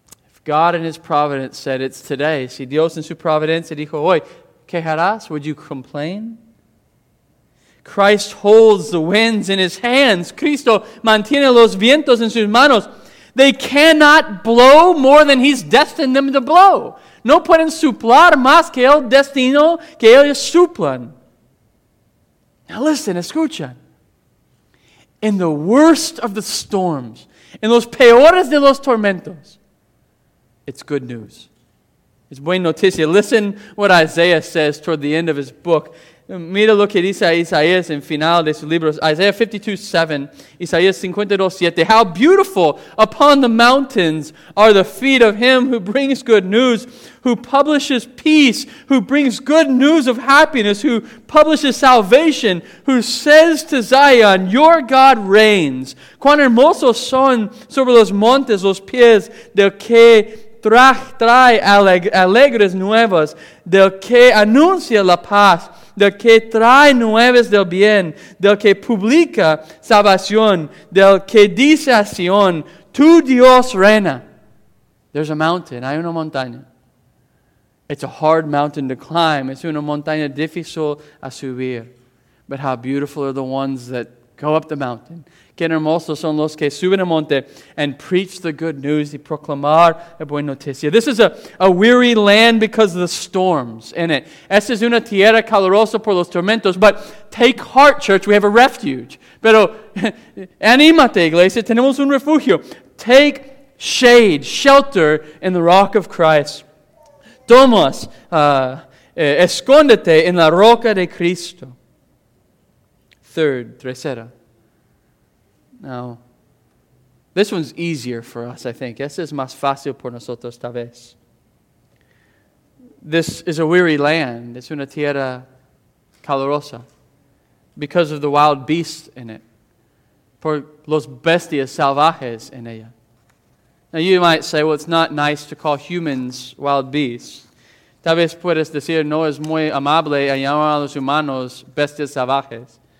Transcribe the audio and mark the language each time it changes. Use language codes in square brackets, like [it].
[en] If God in his providence said it's today. [es] Si Dios en su providencia dijo hoy. ¿Qué harás? [en] Would you complain? Christ holds the winds in his hands. [es] Cristo mantiene los vientos en sus manos. [en] They cannot blow more than he's destined them to blow. [es] No pueden soplar más que el destino que ellos suplan. [en] Now listen, escucha. In the worst of the storms, in [es] los peores de los tormentos, [en] it's good news. It's [es] buena noticia. [en] Listen what Isaiah says toward the end of his book. [es] Mira lo que dice Isaías en final de su libro. [en] Isaiah 52:7, Isaías 52:7. How beautiful upon the mountains are the feet of him who brings good news, who publishes peace, who brings good news of happiness, who publishes salvation, who says to Zion, your God reigns. [es] Cuán hermosos son sobre los montes los pies del que trae alegres nuevas, del que anuncia la paz, del que trae nuevas del bien, del que publica salvación, del que dice a Sion, tu Dios reina. [en] There's a mountain, [es] hay una montaña. [en] It's a hard mountain to climb. [es] Es una montaña difícil a subir. [en] But how beautiful are the ones that go up the mountain. [es] Qué hermosos son los que suben el monte [en] and preach the good news [es] y proclamar la buena noticia. [en] This is a weary land because of the storms in it. [es] Esta es una tierra calurosa por los tormentos. [en] But take heart, church. We have a refuge. [es] Pero anímate, iglesia. Tenemos un refugio. [en] Take shade, shelter in the rock of Christ. [es] Tomas, escóndete en la roca de Cristo. [en] Third, tercera. Now, this one's easier for us, I think. [es] Este es más fácil por nosotros, tal vez. [en] This is a weary land. [es] Es una tierra calurosa [en] because of the wild beasts in it, [es] por los bestias salvajes en ella. [en] Now, you might say, well, it's not nice to call humans wild beasts. [es] Tal vez puedes decir, no es muy amable a llamar a los humanos bestias salvajes.